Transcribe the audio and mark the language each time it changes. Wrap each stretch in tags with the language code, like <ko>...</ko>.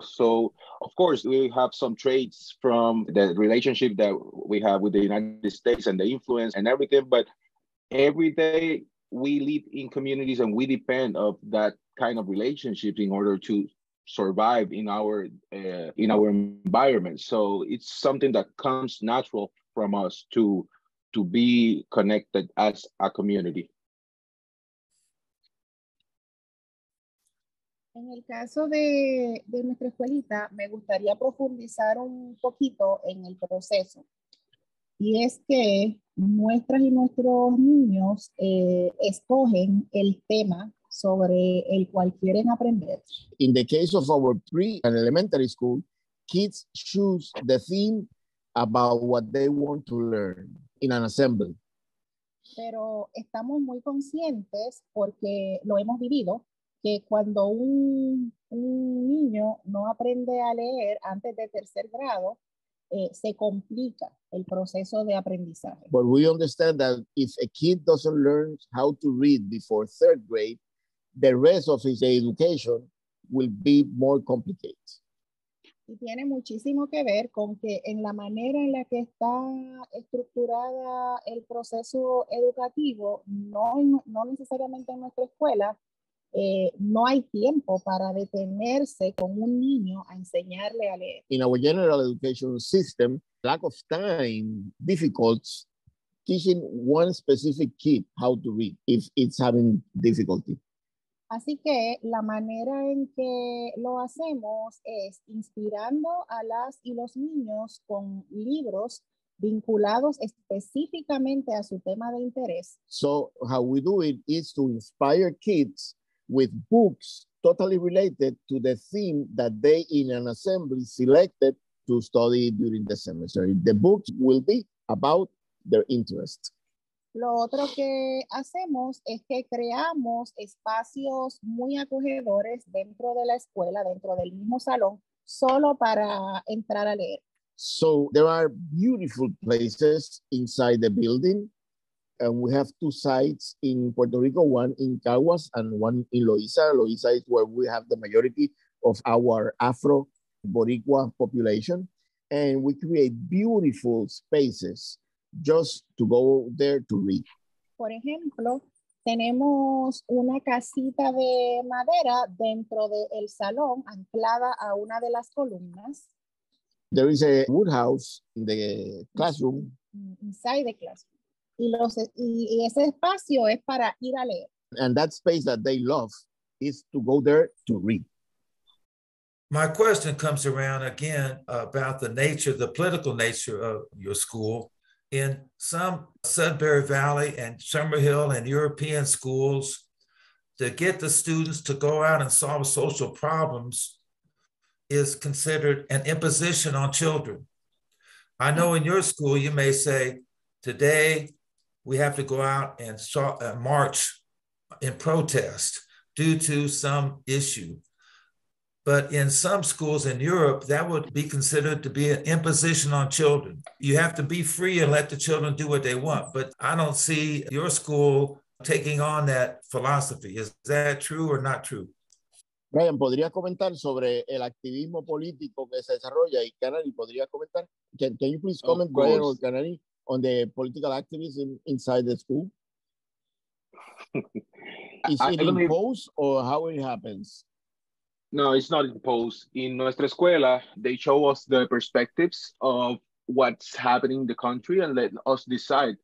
<en>So, of course, we have some traits from the relationship that we have with the United States and the influence and everything, but every day we live in communities and we depend on that kind of relationship in order to survive in our environment. So it's something that comes natural from us to be connected as a community.</en> <es>En el caso de nuestra escuelita, me gustaría profundizar un poquito en el proceso. Y es que nuestras y nuestros niños escogen el tema sobre el cual quieren aprender.</es> <en>In the case of our pre and elementary school, kids choose the theme about what they want to learn in an assembly.</en> <es>Pero estamos muy conscientes porque lo hemos vivido. Que cuando un niño no aprende a leer antes de tercer grado, se complica el proceso de aprendizaje.</es> <en>But we understand that if a kid doesn't learn how to read before third grade, the rest of his education will be more complicated.</en> <es>Y tiene muchísimo que ver con que en la manera en la que está estructurada el proceso educativo, no necesariamente en nuestra escuela, no hay tiempo para detenerse con un niño a enseñarle a leer.</es> <en>In our general education system, lack of time difficulties teaching one specific kid how to read if it's having difficulty.</en> <es>Así que la manera en que lo hacemos es inspirando a las y los niños con libros vinculados específicamente a su tema de interés.</es> <en>So how we do it is to inspire kids with books totally related to the theme that they in an assembly selected to study during the semester. The books will be about their interest.</en> <es>Lo otro que hacemos es que creamos espacios muy acogedores dentro de la escuela, dentro del mismo salón, solo para entrar a leer.</es> <en>So there are beautiful places inside the building. And we have two sites in Puerto Rico, one in Caguas and one in Loíza. Loíza is where we have the majority of our Afro-Boricua population. And we create beautiful spaces just to go there to read.</en> <es>Por ejemplo, tenemos una casita de madera dentro del salón anclada a una de las columnas.</es> <en>There is a wood house in the classroom. Inside the classroom.</en> <es>Y ese espacio es para ir a leer.</es> <en>And that space that they love is to go there to read. My question comes around again about the nature, the political nature of your school. In some Sudbury Valley and Summerhill and European schools, to get the students to go out and solve social problems is considered an imposition on children. I know in your school, you may say, today we have to go out and march in protest due to some issue. But in some schools in Europe, that would be considered to be an imposition on children. You have to be free and let the children do what they want. But I don't see your school taking on that philosophy. Is that true or not true?</en> <es>Brayan, ¿podrías comentar sobre el activismo político que se desarrolla? Y Canary, ¿podrías comentar?</es> <en>Can you please comment, Brayan or Canary, on the political activism inside the school? Is it imposed or how it happens? No, it's not imposed. In Nuestra Escuela, they show us the perspectives of what's happening in the country and let us decide.</en>